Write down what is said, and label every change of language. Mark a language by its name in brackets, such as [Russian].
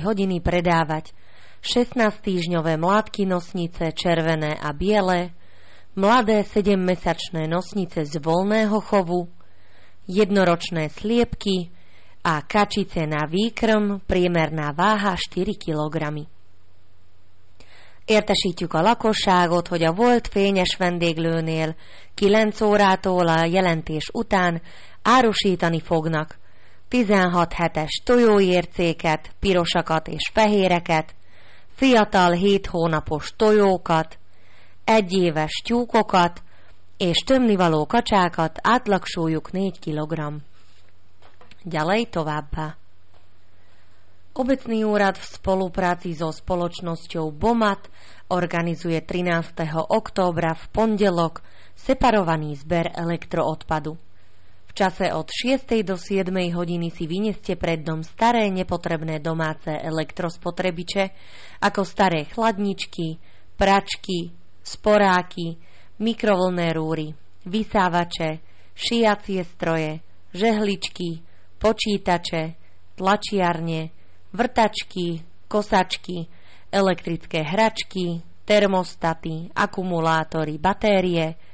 [Slovak] hodiny predávať 16-týždňové mládky nosnice červené a biele, mladé 7-mesačné nosnice z voľného chovu, jednoročné sliepky a kačice na výkrm, priemerná váha 4 kg. [Hungarian] Értesítjük a lakosságot, hogy a volt fényes vendéglőnél 9 órától a jelentés után árusítani fognak 16 hetes tojóércéket, pirosakat és fehéreket, fiatal 7 hónapos tojókat, 1 éves tyúkokat és tömnivaló kacsákat átlagsúlyuk 4 kg. Gyalej továbbá! [Slovak] Obecný úrad v spolupráci so spoločnosťou BOMAT organizuje 13. októbra v pondelok separovaný zber elektroodpadu. V čase od 6. do 7. hodiny si vyneste pred dom staré nepotrebné domáce elektrospotrebiče, ako staré chladničky, pračky, sporáky, mikrovlnné rúry, vysávače, šiacie stroje, žehličky, počítače, tlačiarne, vrtačky, kosačky, elektrické hračky, termostaty, akumulátory, batérie,